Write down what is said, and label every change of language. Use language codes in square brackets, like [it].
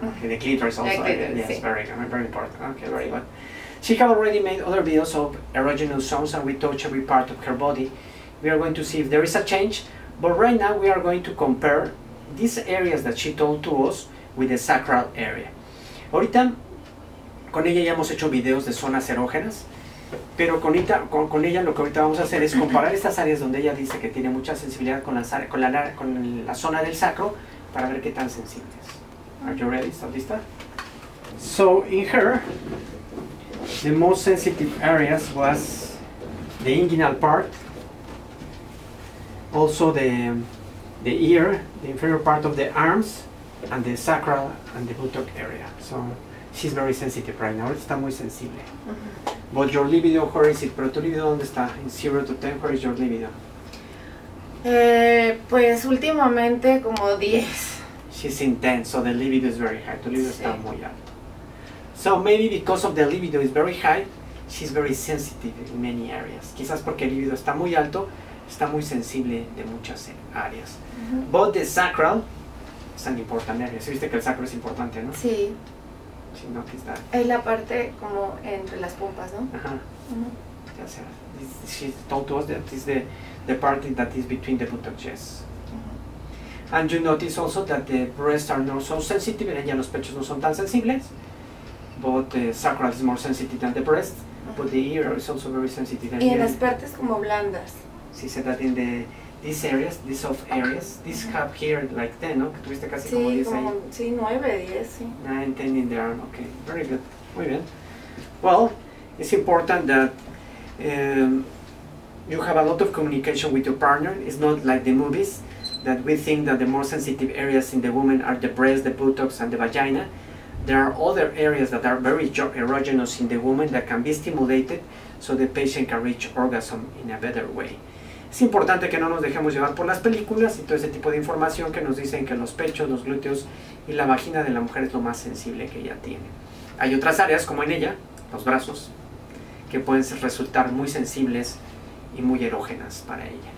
[en] Okay. The clitoris also. The clitoris, yes, [es] sí. [en] very important. Okay, very good. She has already made other videos of erogenous zones and we touch every part of her body. We are going to see if there is a change, but right now we are going to compare these areas that she told to us with the sacral area. [es] Ahorita, con ella ya hemos hecho videos de zonas erógenas, pero con ella lo que ahorita vamos a hacer es comparar estas áreas donde ella dice que tiene mucha sensibilidad con la zona del sacro para ver qué tan sensible es. [en] Are you ready? [es] ¿Estás lista? [en] So, in her, the most sensitive areas was the inguinal part, also the ear, the inferior part of the arms, and the sacral and the buttock area. So she's very sensitive right now. [es] Está muy sensible. Mm-hmm. [en] But your libido, where is it? [es] Pero tu libido, ¿dónde está? [en] In 0 to 10, where is your libido? [es] Pues últimamente como 10. [en] She's intense, so the libido is very high. [es] Tu libido, sí, está muy alto. [en] So maybe because of the libido is very high, she's very sensitive in many areas. [es] Quizás porque el libido está muy alto, está muy sensible de muchas áreas. Mm-hmm. [en] But the sacral is an important area. [es] ¿Sí viste que el sacro es importante, no? Sí. [en] She noticed that. [es] Es la parte como entre las pompas, ¿no? Ajá. Uh-huh. Mm-hmm. [en] Yes, she told to us that is the part that is between the buttocks. Yes. Mm-hmm. And you notice also that the breasts are not so sensitive. [es] Ya los pechos no son tan sensibles. [en] But the sacral is more sensitive than the breast, uh-huh, but the ear is also very sensitive. [es] Y en las partes como blandas. [en] She said that in these areas, these soft areas, these, uh-huh, have here like 10, ¿no? [es] Que tuviste casi, sí, como 10 ahí. Sí, 9, 10, sí. [en] 9, 10 in the arm, okay. Very good. [es] Muy bien. [en] Well, it's important that you have a lot of communication with your partner. It's not like the movies, that we think that the more sensitive areas in the woman are the breast, the buttocks, and the vagina. There are other areas that are very erogenous in the woman that can be stimulated so the patient can reach orgasm in a better way. [es] Es importante que no nos dejemos llevar por las películas y todo ese tipo de información que nos dicen que los pechos, los glúteos y la vagina de la mujer es lo más sensible que ella tiene. Hay otras áreas, como en ella, los brazos, que pueden resultar muy sensibles y muy erógenas para ella.